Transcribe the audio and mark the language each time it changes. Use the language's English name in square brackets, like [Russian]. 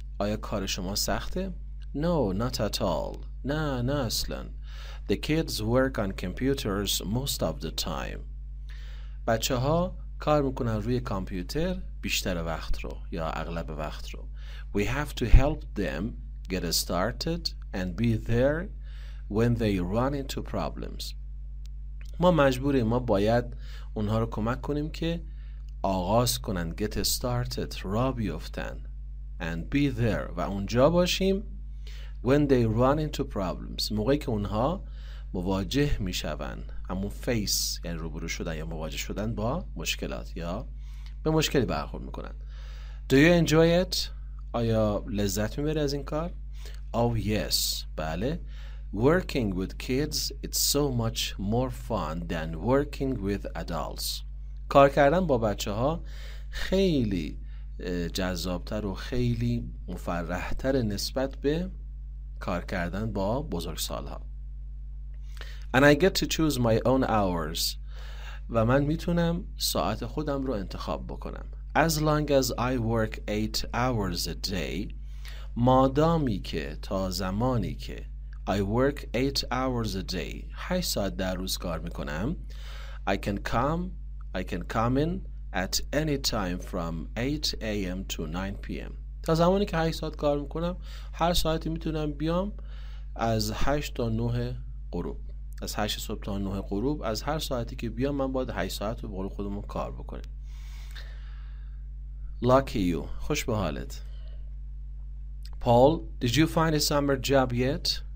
[Persian] آیا کار شما سخته؟ [English] No, not at all. [Persian] نه، نه اصلا. [English] The kids work on computers most of the time. [Persian] بچه ها کار میکنن روی کامپیوتر بیشتر وقت رو یا اغلب وقت رو. [English] We have to help them get started and be there when they run into problems. [Persian] ما مجبوریم، ما باید اونها رو کمک کنیم که آغاز کنن، [English] get started، [Persian] را بیفتن. [English] And be there [Persian] و اونجا باشیم [English] when they run into problems [Persian] موقعی که اونها مواجه میشن همون face یعنی روبرو شدن یا مواجه شدن با مشکلات یا به مشکلی برخورد میکنن. [English] Do you enjoy it? [Persian] آیا لذت میبری از این کار؟ [English] Oh yes. [Persian] بله. [English] Working with kids it's so much more fun than working with adults. [Persian] کار کردن با بچه ها خیلی جذابتر و خیلی مفرحتر نسبت به کار کردن با بزرگسالها. [English] And I get to choose my own hours. [Persian] و من میتونم ساعت خودم رو انتخاب بکنم. [English] As long as I work 8 hours a day. [Persian] مادامی که تا زمانی که [English] I work 8 hours a day. [Persian] 8 ساعت در روز کار میکنم. [English] I can come in. At any time from 8 a.m. to 9 p.m. [Persian] تا زمانی که 8 ساعت کار میکنم هر ساعتی میتونم بیام از 8 تا 9 غروب از 8 صبح تا 9 غروب از هر ساعتی که بیام من باید 8 ساعت رو به قول خودمون کار بکنم. [English] Lucky you. [Persian] خوش به حالت. [English] Paul, did you find a summer job yet?